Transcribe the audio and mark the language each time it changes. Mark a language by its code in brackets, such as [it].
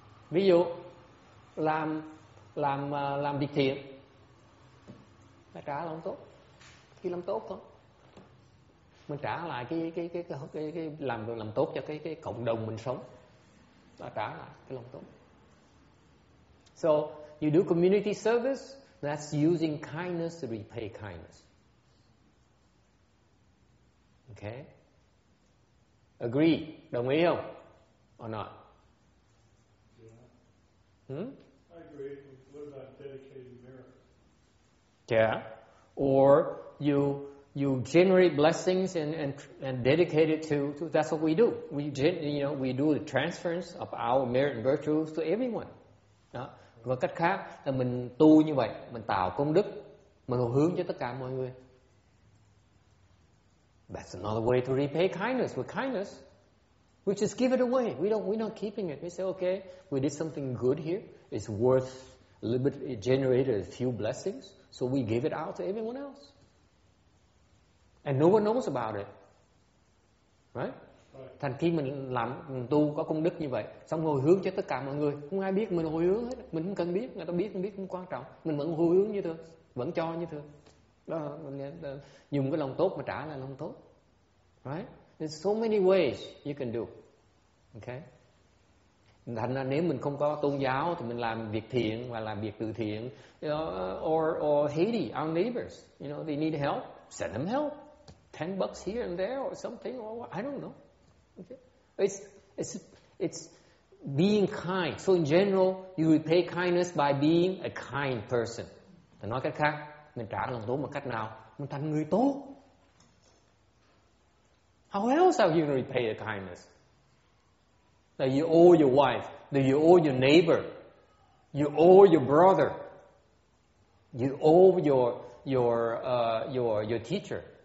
[vi] Ví dụ làm việc thiện, phải trả lòng tốt. Khi làm tốt không? Mình trả lại cái làm tốt cho cái cộng đồng mình sống. Và trả lại cái lòng tốt. [en] So you do community service, that's using kindness to repay kindness. Okay? Agree? [vi] Đồng ý không? [en] Or not? Yeah. Hmm? I agree. What about dedicating merit? Yeah. Or you generate blessings and dedicate it to that's what we do. We do the transference of our merit and virtues to everyone. Yeah. [vi] Và cách khác là mình tu như vậy, mình tạo công đức, mình hướng cho tất cả mọi người. [en] That's another way to repay kindness with kindness. We just give it away. We're not keeping it. We say, okay, we did something good here. It's worth a little bit, it generated a few blessings. So we give it out to everyone else. And no one knows about it. Right? [vi] Thành khi mình làm tu có công đức như vậy, xong hồi hướng cho tất cả mọi người, không ai biết mình hồi hướng hết, mình không cần biết, người ta biết không biết cũng quan trọng, mình vẫn hồi hướng như thường, vẫn cho như thường. Đó, mình dùng cái lòng tốt mà trả lại lòng tốt. Right? [en] There's so many ways you can do. Okay? [vi] Thành ra nếu mình không có tôn giáo thì mình làm việc thiện và làm việc từ thiện, [en] or Haiti, our neighbors, you know, they need help, send them help. $10 here and there or something, or what, I don't know. Okay. It's being kind. So in general, you repay kindness by being a kind person. [vi] Thì nói cách khác, mình trả lòng tốt một cách nào? Mình thành người tốt. [en] How else are you going to repay the kindness? That you owe your wife, that you owe your neighbor, you owe your brother, you owe your teacher.